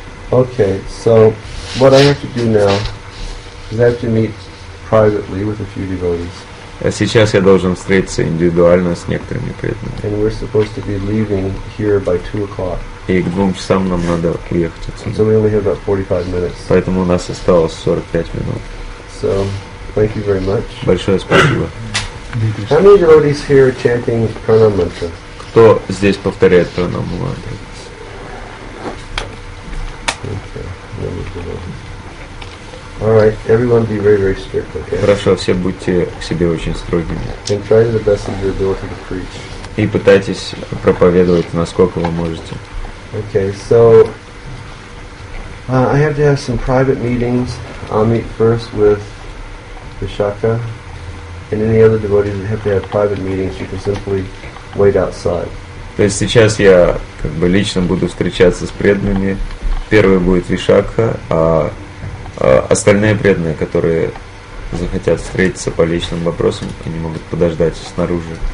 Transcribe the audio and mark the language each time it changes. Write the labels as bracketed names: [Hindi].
[English] Okay, so what I have to do now is I have to meet privately with a few devotees. [Russian] А сейчас я должен встретиться индивидуально с некоторыми преданными. [English] And we're supposed to be leaving here by 2:00. [Russian] И к 2:00 нам надо уехать отсюда. [English] So we only have about 45 minutes. [Russian] Поэтому у нас осталось 45 минут. [English] So, thank you very much. [Russian] Большое спасибо. [English] How many devotees here chanting pranam mantra? [Russian] Кто здесь повторяет пранам мантру? [English] All right, everyone be very, very strict, okay? [Russian] Хорошо, все будьте к себе очень строгими. [English] And try to the best of your ability to preach. [Russian] И пытайтесь проповедовать, насколько вы можете. [English] Okay, so I have to have some private meetings. I'll meet first with Vishaka and any other devotees that have to have private meetings. You can simply wait outside. [Russian] То есть сейчас я как бы лично буду встречаться с преданными. Первый будет Вишакха, а остальные преданные, которые захотят встретиться по личным вопросам, они могут подождать снаружи.